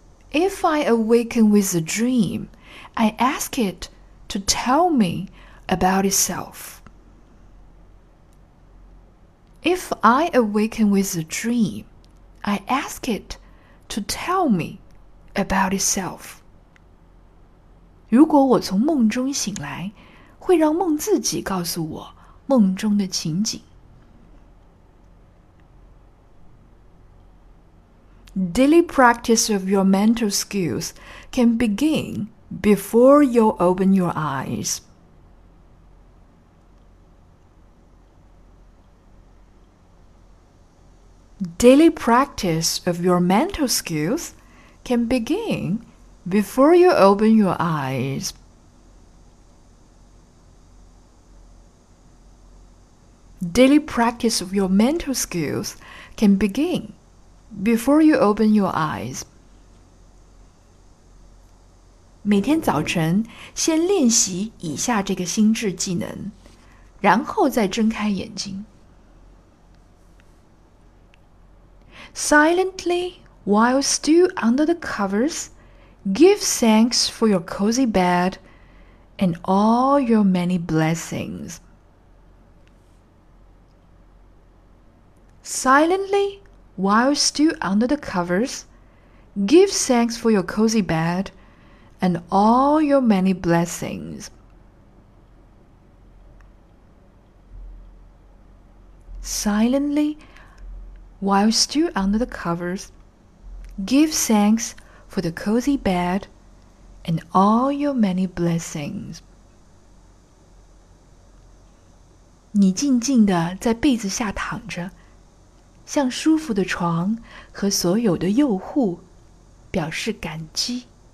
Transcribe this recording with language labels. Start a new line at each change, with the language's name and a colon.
English: If I awaken with a dream, I ask it to tell me about itself. If I awaken with a dream, I ask it to tell me about itself.
Chinese: 如果我从梦中醒来，会让梦自己告诉我梦中的情景。
English: Daily practice of your mental skills can begin before you open your eyes. Daily practice of your mental skills can begin before you open your eyes. Daily practice of your mental skills can begin before you open your eyes.
Chinese: 每天早晨先练习以下这个心智技能，然后再睁开眼睛。
English: Silently, while still under the covers, give thanks for your cozy bed and all your many blessings. Silently, while still under the covers, give thanks for your cozy bed and all your many blessings. Silently,While still under the covers, give thanks for the cozy bed and all your many blessings.
Chinese: 你静静地在被子下躺着，向舒服的床和所有的佑护表示感激。